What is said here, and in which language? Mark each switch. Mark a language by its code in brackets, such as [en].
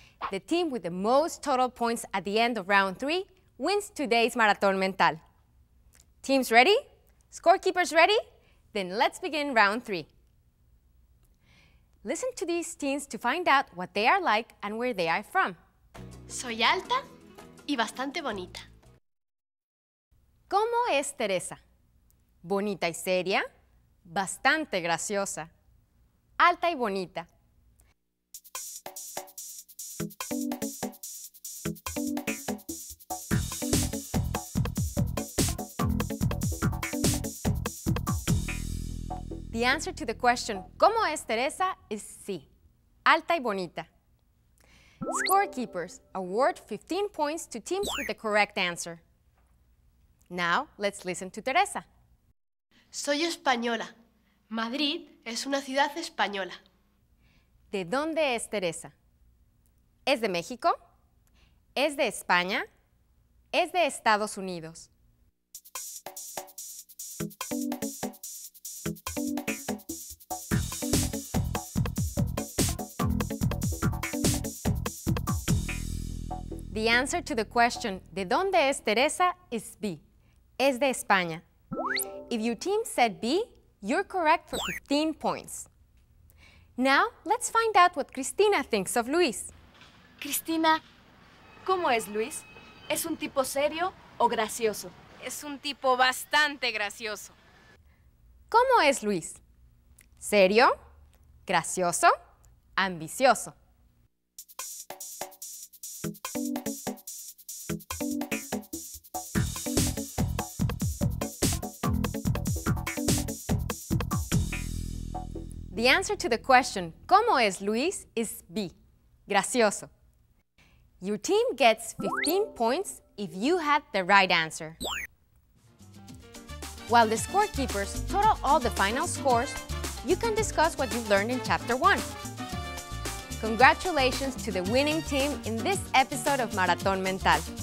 [en] The team with the most total points at the end of round three wins today's Maratón Mental. Teams ready? Scorekeepers ready? Then let's begin round three. Listen to these teens to find out what they are like and where they are from. [es] Soy alta y bastante bonita. ¿Cómo es Teresa? Bonita y seria, bastante graciosa, alta y bonita. [en] The answer to the question, [es] ¿cómo es Teresa? [en] Is C, [es] alta y bonita. [en] Scorekeepers, award 15 points to teams with the correct answer. Now, let's listen to Teresa. [es] Soy española. Madrid es una ciudad española. ¿De dónde es Teresa? ¿Es de México? ¿Es de España? ¿Es de Estados Unidos? [en] The answer to the question, [es] ¿de dónde es Teresa? Is B. Es de España. [en] If your team said B, you're correct for 15 points. Now, let's find out what Cristina thinks of Luis. [es] Cristina, ¿cómo es Luis? ¿Es un tipo serio o gracioso? Es un tipo bastante gracioso. ¿Cómo es Luis? ¿Serio? ¿Gracioso? ¿Ambicioso? [en] The answer to the question, [es] ¿cómo es Luis? [en] Is B, gracioso. Your team gets 15 points if you had the right answer. While the scorekeepers total all the final scores, you can discuss what you've learned in Chapter 1. Congratulations to the winning team in this episode of Maratón Mental.